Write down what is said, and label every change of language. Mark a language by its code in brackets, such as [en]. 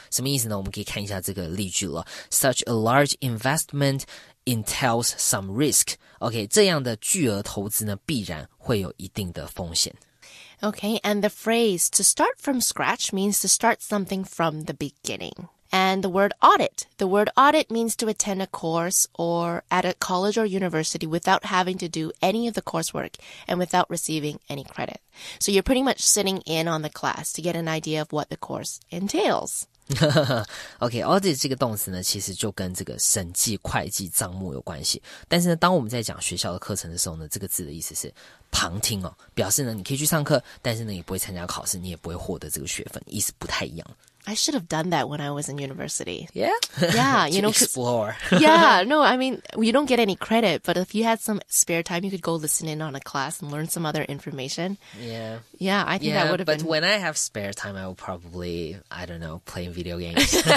[zh] 什么意思呢？我们可以看一下这个例句了。 [en] Such a large investment entails some risk. [zh] OK, 这样的巨额投资呢必然会有一定的风险。 [en] OK, and the phrase to start from scratch means to start something from the beginning. And the word audit. The word audit means to attend a course or at a college or university without having to do any of the coursework and without receiving any credit. So you're pretty much sitting in on the class to get an idea of what the course entails. [zh] OK, audit 这个动词呢其实就跟这个审计会计账目有关系。但是呢当我们在讲学校的课程的时候呢这个字的意思是旁听哦，表示呢你可以去上课，但是呢你不会参加考试，你也不会获得这个学分，意思不太一样。 [en] I should have done that when I was in university. Yeah? Yeah, you know. Explore. Yeah, no, I mean, you don't get any credit, but if you had some spare time, you could go listen in on a class and learn some other information. Yeah. Yeah, I think that would have been. But when I have spare time, I will probably, I don't know, play video games.